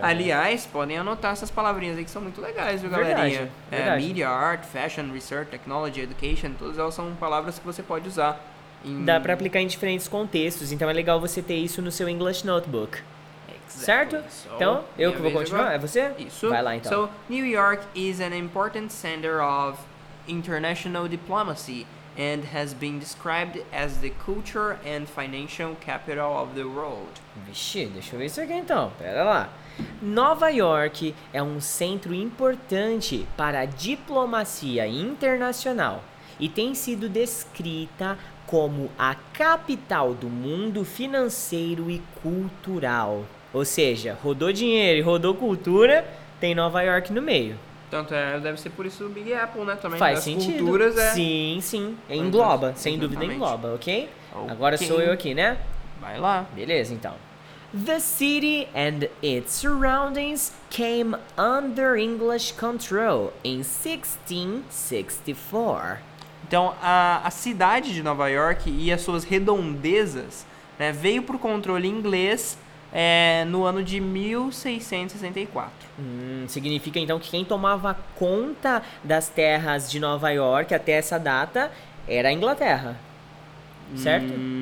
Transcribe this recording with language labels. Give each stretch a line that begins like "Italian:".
Portuguese: Aliás, né? Podem anotar essas palavrinhas aí que são muito legais, viu, galerinha? Verdade. É, mídia, arte, fashion, research, technology, education, todas elas são palavras que você pode usar. Dá pra aplicar em diferentes contextos, então é legal você ter isso no seu English Notebook.
English: Exactly.
Portuguese: Certo?
English: So,
Portuguese: então, eu que vou continuar, agora. É você? Isso. Vai lá então.
English: So, New York is an important center of international diplomacy and has been described as the culture and financial capital of the world.
Portuguese: Vixe, deixa eu ver isso aqui então, pera lá. Nova York é um centro importante para a diplomacia internacional e tem sido descrita... como a capital do mundo financeiro e cultural. Ou seja, rodou dinheiro e rodou cultura, tem Nova York no meio. Tanto é, deve ser por isso o Big Apple, né? Também faz das sentido. Culturas é... Sim, sim. Engloba, então, sem dúvida engloba, ok? Okay. Agora sou eu aqui, né? Vai lá. Beleza, então.
English: The city and its surroundings came under English control in 1664.
Portuguese: Então, a cidade de Nova York e as suas redondezas, né, veio pro controle inglês no ano de 1664. Significa, então, que quem tomava conta das terras de Nova York até essa data era a Inglaterra, certo?